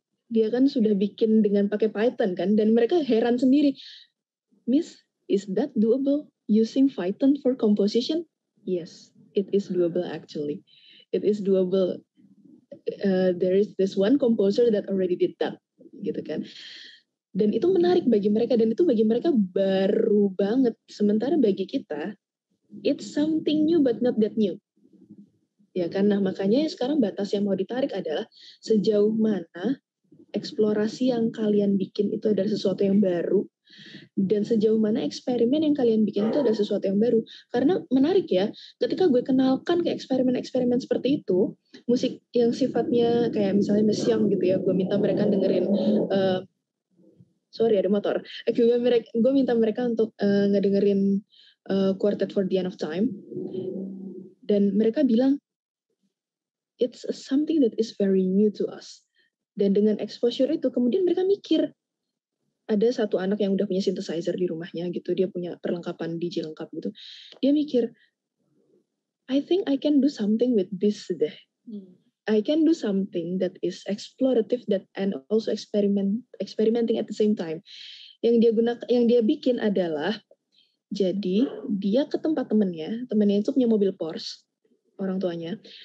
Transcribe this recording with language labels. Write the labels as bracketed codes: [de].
[id] Dia kan sudah bikin dengan pakai Python kan, dan mereka heran sendiri. [en] Miss, is that doable using Python for composition? Yes, it is doable actually. It is doable. There is this one composer that already did that, [id] gitu kan. Dan itu menarik bagi mereka, dan itu bagi mereka baru banget. Sementara bagi kita, [en] it's something new but not that new. [id] Ya kan, nah makanya sekarang batas yang mau ditarik adalah sejauh mana eksplorasi yang kalian bikin itu adalah sesuatu yang baru, dan sejauh mana eksperimen yang kalian bikin itu adalah sesuatu yang baru. Karena menarik ya, ketika gue kenalkan ke eksperimen-eksperimen seperti itu, musik yang sifatnya kayak misalnya mesiang gitu ya, gue minta mereka dengerin, sorry ada motor, gue minta mereka untuk ngedengerin Quartet for the End of Time, dan mereka bilang, [en] it's something that is very new to us. [id] Dan dengan exposure itu, kemudian mereka mikir, ada satu anak yang udah punya synthesizer di rumahnya gitu, dia punya perlengkapan DJ lengkap gitu. Dia mikir, [en] I think I can do something with this deh. I can do something that is explorative that and also experimenting at the same time. [id] Yang dia bikin adalah, jadi dia ke tempat temennya itu punya mobil Porsche, orang tuanya.